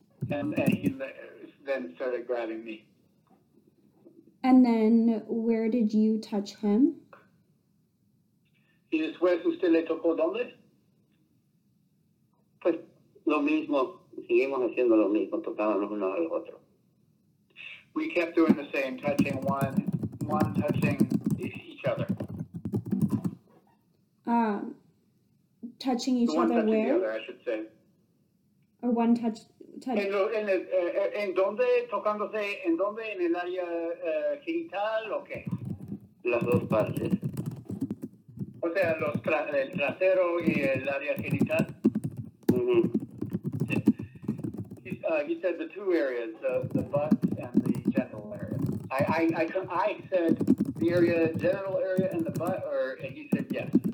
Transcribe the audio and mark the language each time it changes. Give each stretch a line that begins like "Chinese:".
English: And he then started grabbing me. And then, where did you touch him?
Spanish: ¿Y después usted le tocó dónde? Pues, lo mismo. Seguimos haciendo lo mismo, tocándonos uno al otro.
English: We kept doing the same, touching one touching each other. Touching each the one other touching where? The other, I should say. Or one touch...
Spanish: ¿En dónde? ¿Tocándose? ¿En dónde? ¿En el área genital o qué? Las dos partes. O sea, el trasero y el área genital. Mm-hmm.
English: He said the two areas, the butt and the genital area. I said the area, genital area and the butt, and he said yes.